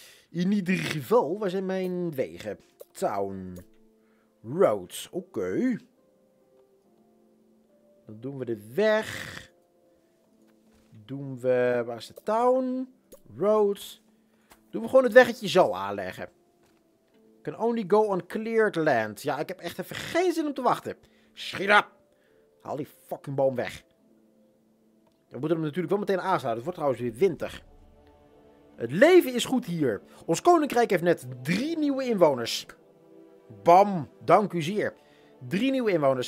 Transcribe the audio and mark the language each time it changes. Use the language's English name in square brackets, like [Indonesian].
[Dutch] In ieder geval, waar zijn mijn wegen? [English] Town. Road. Oké. [Dutch] Dan doen we de weg. Doen we... Waar is de town? Road. Doen we gewoon het weggetje zo aanleggen. [English] Can only go on cleared land. [Dutch] Ja, ik heb echt even geen zin om te wachten. Schiet op! Haal die fucking boom weg. We moeten hem natuurlijk wel meteen aansluiten. Het wordt trouwens weer winter. Het leven is goed hier. Ons koninkrijk heeft net 3 nieuwe inwoners. Bam, dank u zeer. 3 nieuwe inwoners.